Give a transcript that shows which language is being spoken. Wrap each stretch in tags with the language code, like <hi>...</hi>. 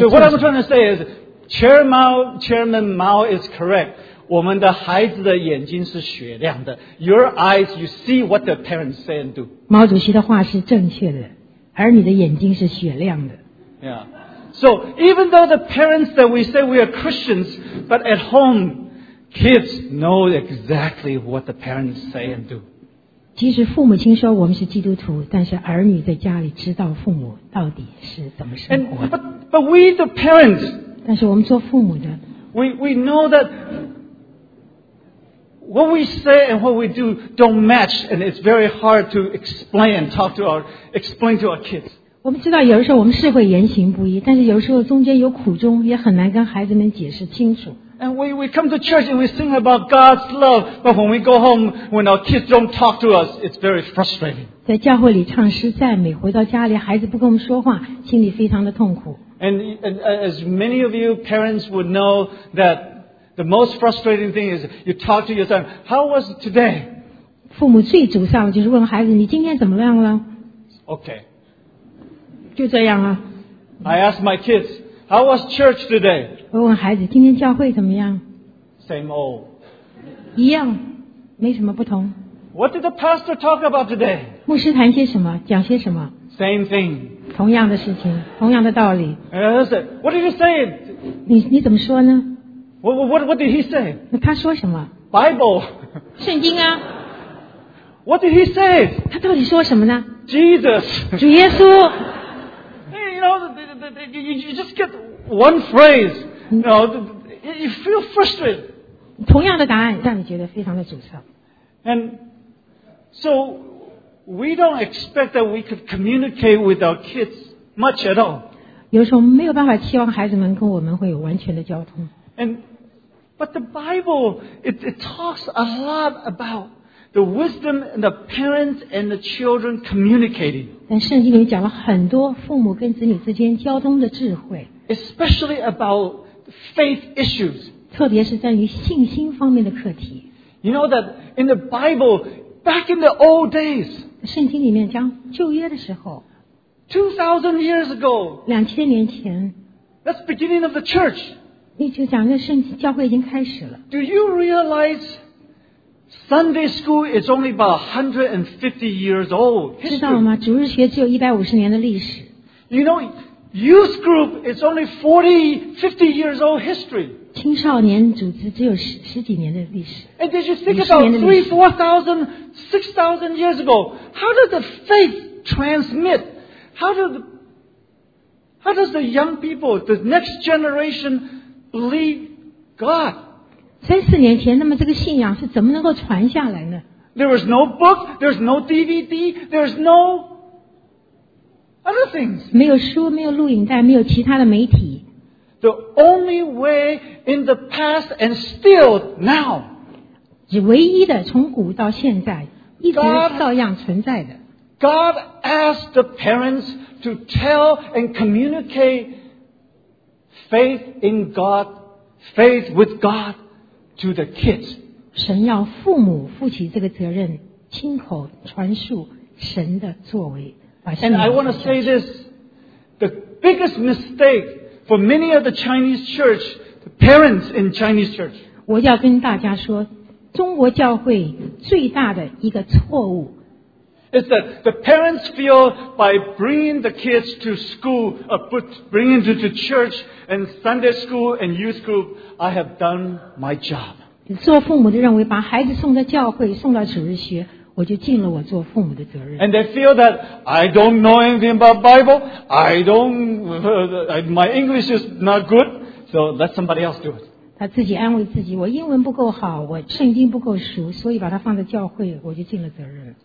<en>So what I'm trying to say is, Chairman Mao is correct.</en> <zh>我们的孩子的眼睛是雪亮的。</zh> <en>Your eyes, you see what the parents say and do.</en> <zh>毛主席的话是正确的，而你的眼睛是雪亮的。</zh> <en>Yeah. So even though the parents that we say we are Christians, but at home. Kids know exactly what the parents say and do.</en> <zh>即使父母亲说我们是基督徒，但是儿女在家里知道父母到底是怎么生活。</zh> <en>But we the parents.</en> <zh>但是我们做父母的。</zh> <en>We know that what we say and what we do don't match, and it's very hard to explain to our kids.</en> <zh>我们知道有的时候我们是会言行不一，但是有的时候中间有苦衷，也很难跟孩子们解释清楚。</zh> <en>And we come to church and we sing about God's love, but when we go home, when our kids don't talk to us, it's very frustrating.</en> <zh>在教会里唱诗赞美，回到家里孩子不跟我们说话，心里非常的痛苦。</zh> <en>And as many of you parents would know that the most frustrating thing is you talk to your son, "How was it today?"</en> <zh>父母最沮丧的就是问孩子你今天怎么样了</zh> <en>？Okay.</en> <zh>就这样啊。</zh> <en>I ask my kids. How was church today?</en> <zh>我问孩子今天教会怎么样</zh> <en>？Same old.</en> <zh>一样，没什么不同。</zh> <en>What did the pastor talk about today?</en> <zh>牧师谈些什么？讲些什么</zh> <en>？Same thing.</en> <zh>同样的事情，同样的道理。</zh> <en>What did he say?</en> <zh>你怎么说呢</zh> <en>？What did he say?</en> <zh>那他说什么</zh> <en>？Bible.</en> <zh>圣经啊。</zh> <en>What did he say?</en> <zh>他到底说什么呢</zh> <en>？Jesus.</en> <zh>主耶稣。</zh> <en>You just get one phrase. You know, you feel frustrated.</en> <zh>同样的答案让你觉得非常的沮丧。</zh> <en>And so we don't expect that we could communicate with our kids much at all.</en> <zh>有时候没有办法期望孩子们跟我们会有完全的交通。</zh> <en>And but the Bible it talks a lot about the wisdom and the parents and the children communicating.</en> <zh>但圣经里讲了很多父母跟子女之间交通的智慧</zh> <en>，especially about faith issues，</en> <zh>特别是在于信心方面的课题。</zh> <en>You know that in the Bible, back in the old days，</en> <zh>圣经里面讲旧约的时候</zh> <en>，2000 years ago，</en> <zh>2000年前</zh> <en>That's the beginning of the church.</en> <zh>你就讲这圣教会已经开始了。</zh> <en>Do you realize Sunday school is only about 150 years old?</en> <zh>知道吗？主日学只有150年的历史。</zh> <en>You know, youth group is only 40-50 years old history.</en> <zh>青少年组织只有十几年的历史。</zh> <en>And did you think about 3,000-6,000 years ago? How did the faith transmit? How does the young people, the next generation, believe God?</en> <zh>3-4年前，那么这个信仰是怎么能够传下来呢？</zh> <en>There was no book, there's no DVD, there's no other things.</en> <zh>没有书，没有录影带，没有其他的媒体。</zh> <en>The only way in the past and still now.</en> <zh>唯一的从古到现在一直照样存在的。</zh> <en>God asked the parents to tell and communicate faith in God, faith with God to the kids.</en> <zh>神要父母负起这个责任，亲口传述神的作为。</zh> <en>And I want to say this, the biggest mistake for many of the Chinese church, the parents in Chinese church.</en> <zh>我要跟大家说，中国教会最大的一个错误</zh> <en>is that the parents feel by bringing the kids to school, bringing them to church and Sunday school and youth group, I have done my job.</en> <zh>做父母的认为把孩子送到教会送到主日学我就尽了我做父母的责任。</zh> <en>And they feel that I don't know anything about Bible, my English is not good, so let somebody else do it.</en> <zh>他自己安慰自己我英文不够好我圣经不够熟所以把他放在教会我就尽了责任。</zh>